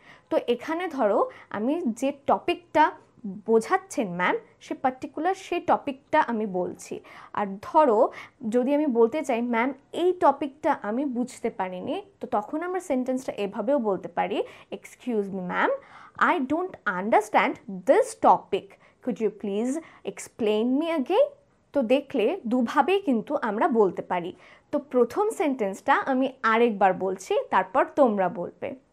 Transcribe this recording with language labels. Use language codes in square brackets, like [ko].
[bn] তো এখানে ধরো আমি যে টপিকটা বোঝাচ্ছেন ম্যাম সে পার্টিকুলার সেই টপিকটা আমি বলছি, আর ধরো যদি আমি বলতে চাই ম্যাম এই টপিকটা আমি বুঝতে পারিনি, তো তখন আমরা সেন্টেন্সটা এভাবেও বলতে পারি, excuse me ma'am [en] I don't understand this topic. Could you please explain me again? [bn] তো দেখলে দুভাবে কিন্তু আমরা বলতে পারি। তো প্রথম সেন্টেন্সটা আমি আরেকবার বলছি, তারপর তোমরা বলবে।